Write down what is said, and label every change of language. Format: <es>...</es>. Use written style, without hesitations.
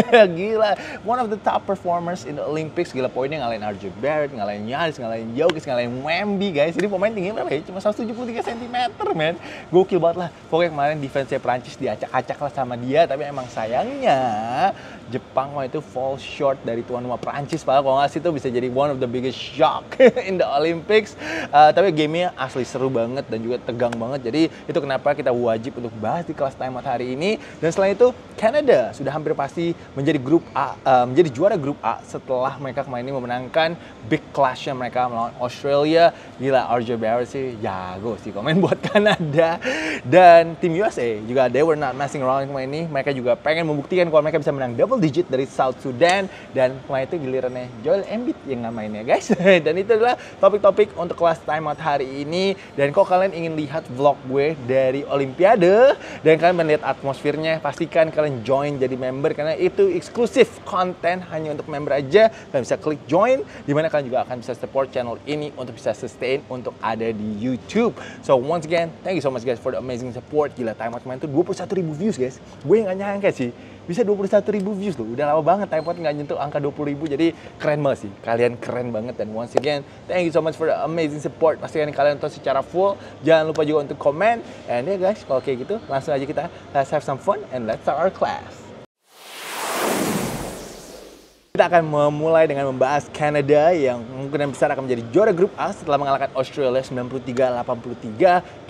<en>Gila, one of the top performers in the Olympics.</en> <id>Gila, poinnya ngalahin RJ Barrett, ngalahin Yaris, ngalahin Jokic, ngalahin Wemby, guys. Ini pemain tingginya berapa ya? Cuma 173 cm, man. Gokil banget lah. Pokoknya kemarin defense-nya Prancis diacak-acak lah sama dia, tapi emang sayangnya Jepang waktu itu</id> <en>fall short</en> <id>dari tuan rumah Prancis. Padahal kalau nggak sih itu bisa jadi</id> <en>one of the biggest shock in the Olympics.</en> <id>Tapi game-nya asli seru banget dan juga tegang banget. Jadi itu kenapa kita wajib untuk bahas di kelas timeout hari ini. Dan selain itu, Kanada sudah hampir pasti menjadi grup A, menjadi juara grup A setelah mereka kemarin ini memenangkan big clash-nya mereka melawan Australia. Gila, RJ Barrett sih jago sih komen buat Kanada. Dan tim USA juga,</id> <en>they were not messing around</en> <id>kemarin ini. Mereka juga pengen membuktikan kalau mereka bisa menang double digit dari South Sudan. Dan kemarin itu gilirannya Joel Embiid yang ngamainnya, guys. Dan itu adalah topik-topik untuk kelas timeout hari ini. Dan kalau kalian ingin lihat vlog gue dari Olimpiade dan kalian melihat atmosfernya, pastikan kalian join jadi member, karena itu eksklusif konten hanya untuk member aja. Kalian bisa klik join, dimana kalian juga akan bisa support channel ini untuk bisa sustain untuk ada di YouTube.</id> <en>So once again, thank you so much guys for the amazing support.</en> <id>Gila, Time Out kemarin tuh 21 ribu views, guys. Gue gak nyangka sih bisa 21 ribu views loh. Udah lama banget Time Out gak nyentuh angka 20 ribu. Jadi keren banget sih, kalian keren banget.</id> <en>And once again, thank you so much for the amazing support.</en> <id>Pastikan kalian nonton secara full. Jangan lupa juga untuk komen.</id> <en>And yeah guys,</en> <id>kalau kayak gitu langsung aja kita</id> <en>let's have some fun and let's start our class.</en> <id>Kita akan memulai dengan membahas Kanada yang kemungkinan besar akan menjadi juara grup A setelah mengalahkan Australia 93-83.</id>